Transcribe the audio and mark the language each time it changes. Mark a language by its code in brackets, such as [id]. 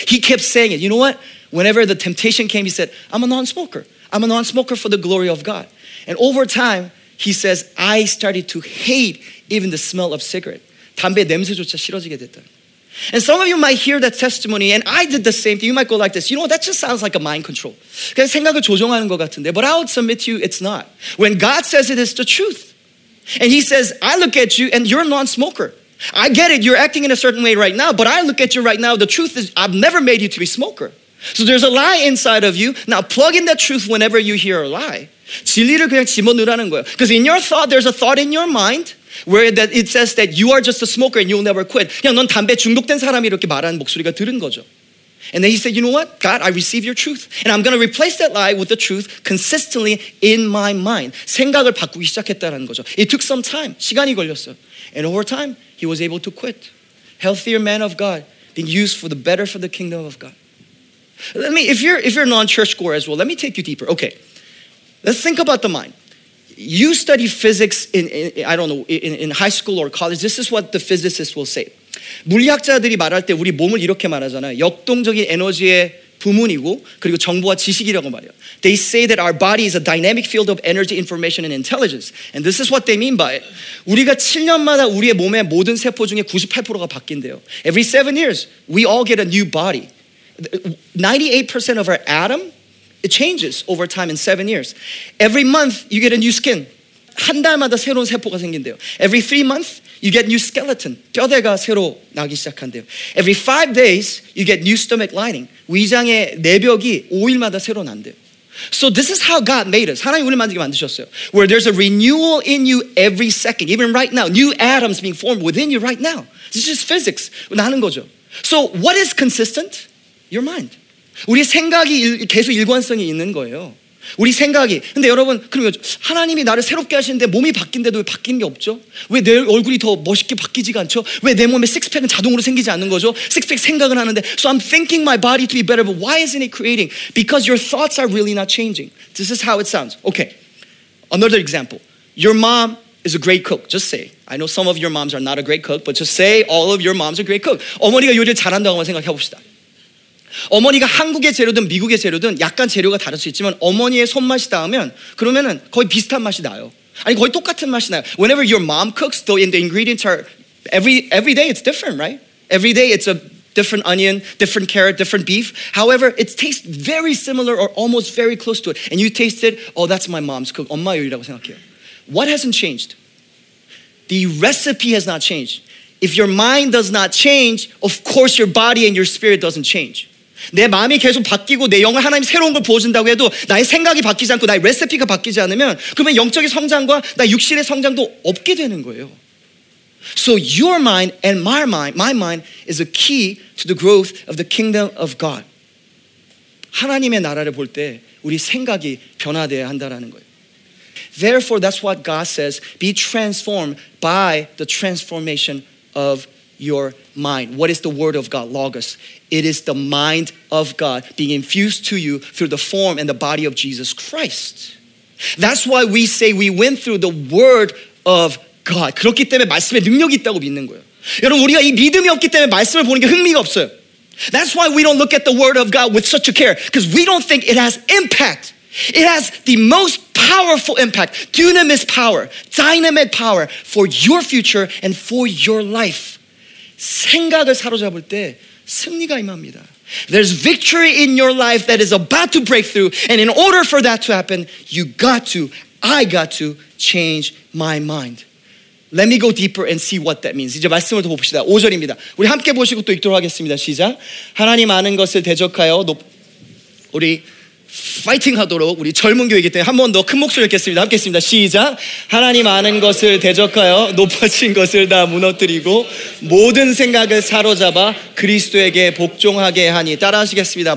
[en] He kept saying it. You know what? Whenever the temptation came, he said, I'm a non-smoker. I'm a non-smoker for the glory of God. And over time, he says, I started to hate even the smell of cigarette. [ko] 담배 냄새조차 싫어지게 됐다. [en] And some of you might hear that testimony, and I did the same thing. You might go like this. You know, that just sounds like a mind control. [ko] 그냥 생각을 조종하는 것 같은데. [en] But I would submit to you, it's not. When God says it, it's the truth. And he says, I look at you, and you're a non-smoker. I get it, you're acting in a certain way right now, but I look at you right now, the truth is, I've never made you to be a smoker. So there's a lie inside of you. Now plug in that truth whenever you hear a lie. [ko] 진리를 그냥 집어넣으라는 거예요. [en] Because in your thought, there's a thought in your mind where that it says that you are just a smoker and you'll never quit. [ko] 그냥 넌 담배 중독된 사람이 이렇게 말하는 목소리가 들은 거죠. [en] And then he said, you know what? God, I receive your truth. And I'm going to replace that lie with the truth consistently in my mind. [ko] 생각을 바꾸기 시작했다라는 거죠. [en] It took some time. [ko] 시간이 걸렸어요. [en] And over time, he was able to quit. Healthier man of God, being used for the better for the kingdom of God. Let me, if you're non-churchgoer as well, let me take you deeper. Okay, let's think about the mind. You study physics in high school or college. This is what the physicists will say. [ko] 물리학자들이 말할 때 우리 몸을 이렇게 말하잖아요. 역동적인 에너지의 부문이고 그리고 정보와 지식이라고 말해요. [en] They say that our body is a dynamic field of energy, information, and intelligence. And this is what they mean by it. [ko] 우리가 7년마다 우리의 몸의 모든 세포 중에 98%가 바뀐대요. [en] Every 7 years, we all get a new body. 98% of our atom, it changes over time in 7 years. Every month, you get a new skin. [ko] 한 달마다 새로운 세포가 생긴대요. [en] Every 3 months, you get new skeleton. [ko] 뼈대가 새로 나기 시작한대요. [en] Every 5 days, you get new stomach lining. [ko] 위장의 내벽이 5일마다 새로 난대요. [en] So this is how God made us. [ko] 하나님 우리 만들게 만드셨어요. [en] Where there's a renewal in you every second. Even right now, new atoms being formed within you right now. This is just physics. [ko] 나는 거죠. [en] So what is consistent? Your mind. [ko] 우리 생각이 계속 일관성이 있는 거예요. 우리 생각이. 근데 여러분, 그럼 하나님이 나를 새롭게 하시는데 몸이 바뀐데도 왜 바뀐 게 없죠? 왜 내 얼굴이 더 멋있게 바뀌지가 않죠? 왜 내 몸에 식스팩은 자동으로 생기지 않는 거죠? 식스팩 생각은 하는데. [en] So I'm thinking my body to be better, but why isn't it creating? Because your thoughts are really not changing. This is how it sounds. Okay, another example. Your mom is a great cook. Just say. I know some of your moms are not a great cook, but just say all of your moms are great cook. [ko] 어머니가 요리를 잘한다고만 생각해 봅시다. 어머니가 한국의 재료든 미국의 재료든 약간 재료가 다를 수 있지만 어머니의 손맛이 닿으면 그러면은 거의 비슷한 맛이 나요. 아니 거의 똑같은 맛이 나요. [en] Whenever your mom cooks, the ingredients are every day it's different, right? Every day it's a different onion, different carrot, different beef. However, it tastes very similar or almost very close to it. And you taste it, oh, that's my mom's cook. [ko] 엄마 요리라고 생각해요. [en] What hasn't changed? The recipe has not changed. If your mind does not change, of course your body and your spirit doesn't change. [ko] 내 마음이 계속 바뀌고 내 영을 하나님 새로운 걸 부어준다고 해도 나의 생각이 바뀌지 않고 나의 레시피가 바뀌지 않으면 그러면 영적인 성장과 나 육신의 성장도 없게 되는 거예요. [en] So your mind and my mind is a key to the growth of the kingdom of God. [ko] 하나님의 나라를 볼 때 우리 생각이 변화돼야 한다라는 거예요. [en] Therefore, that's what God says, be transformed by the transformation of your mind. What is the word of God? Logos. It is the mind of God being infused to you through the form and the body of Jesus Christ. That's why we say we went through the word of God. [ko] 그렇기 때문에 말씀에 능력이 있다고 믿는 거예요. 여러분, 우리가 이 믿음이 없기 때문에 말씀을 보는 게 흥미가 없어요. [en] That's why we don't look at the word of God with such a care, because we don't think it has impact. It has the most powerful impact, dunamis power, dynamite power for your future and for your life. [ko] 생각을 사로잡을 때 승리가 임합니다. [en] There's victory in your life that is about to break through, and in order for that to happen, you got to, I got to change my mind. Let me go deeper and see what that means. [ko] 이제 말씀을 더 봅시다. 5절입니다. 우리 함께 보시고 또 읽도록 하겠습니다. 시작. 하나님 아는 것을 대적하여 우리 파이팅 하도록 우리 젊은 교회이기 때문에 한 번 더 큰 목소리 읽겠습니다. 함께 읽습니다. 시작. 하나님 아는 것을 대적하여 높아진 것을 다 무너뜨리고 모든 생각을 사로잡아 그리스도에게 복종하게 하니. 따라 하시겠습니다.